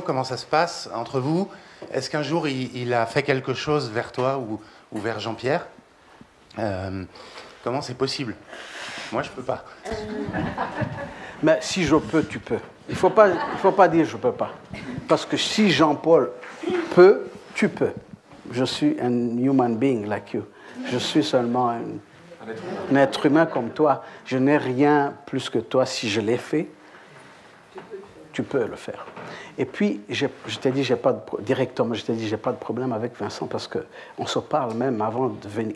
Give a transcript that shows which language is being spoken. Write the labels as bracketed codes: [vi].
[fr] Comment ça se passe entre vous? Est-ce qu'un jour, il a fait quelque chose vers toi ou vers Jean-Pierre? Comment c'est possible? Moi, je ne peux pas. Mais si je peux, tu peux. Il ne faut pas dire « je ne peux pas ». Parce que si Jean-Paul peut, tu peux. Je suis un [en] human being like you. [fr] Je suis seulement un être humain comme toi. Je n'ai rien plus que toi. Si je l'ai fait, tu peux le faire. Et puis, je t'ai dit, j'ai pas de problème avec Vincent parce qu'on se parle même avant de venir.